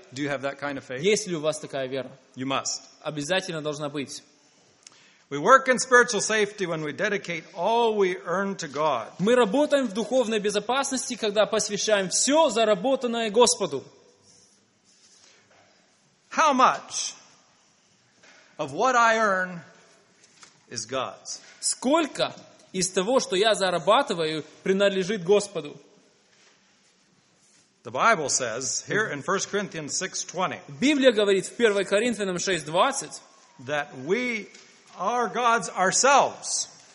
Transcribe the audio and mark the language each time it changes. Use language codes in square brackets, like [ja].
[en] Do you have that kind of faith? [ru] Есть ли у вас такая вера? [en] You must. [ru] Обязательно должна быть. [en] We work in spiritual safety when we dedicate all we earn to God. [ru] Мы работаем в духовной безопасности, когда посвящаем все заработанное Господу. [en] How much of what I earn is God's? [ru] Сколько из того, что я зарабатываю, принадлежит Господу? [en] The Bible says here in 1 Corinthians 6:20. [ru] Библия говорит в 1 Коринфянам 6:20, [en] that we our gods ourselves,